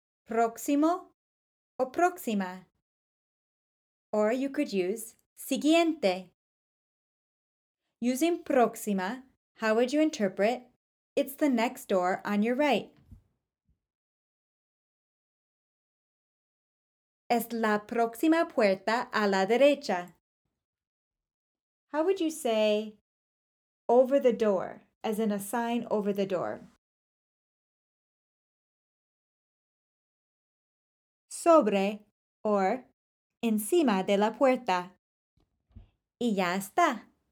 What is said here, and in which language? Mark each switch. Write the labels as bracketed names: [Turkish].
[Spanish] Próximo. O próxima. [English] Or you could use siguiente. Using próxima, how would you interpret it's the next door on your right? [Spanish] Es la próxima puerta a la derecha. [English] How would you say over the door, as in a sign over the door? [Spanish] Sobre, or encima de la puerta. Y ya está.